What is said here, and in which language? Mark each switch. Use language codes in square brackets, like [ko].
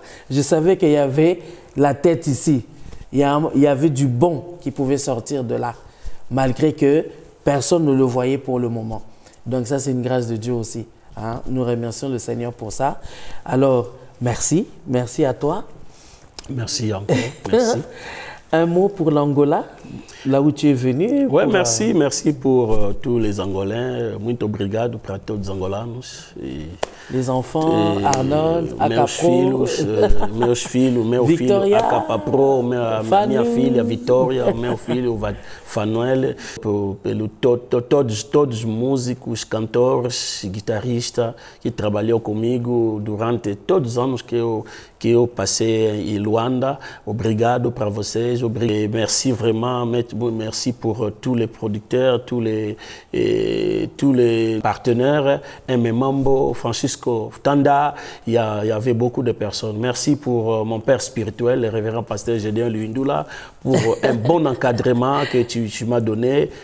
[fr] Je savais qu'il y avait la tête ici. Il y avait du bon qui pouvait sortir de là, malgré que personne ne le voyait pour le moment. Donc ça, c'est une grâce de Dieu aussi. Hein? Nous remercions le Seigneur pour ça. Alors, merci. Merci à toi. Merci encore. Merci. Un mot pour l'Angola, là où tu es venu. Oui, merci. Merci pour tous les Angolais. [pt] Muito obrigado para todos angolanos. [fr] Les enfants, Arnold, [pt] Acapro, meus filhos, meu filho, Acapapro, minha filha, Vitória, meu filho, Fanuel, todos músicos, cantores, guitarristas que trabalhou comigo durante todos os anos que eu passei em Luanda. Obrigado para vocês, obrigado. [fr] Merci vraiment, merci pour tous les producteurs, tous les partenaires, Aimé Mambo, Francisco Tanda, il y avait beaucoup de personnes. Merci pour mon père spirituel, le révérend pasteur Gédéon Luindula, pour un bon encadrement que tu m'as donné.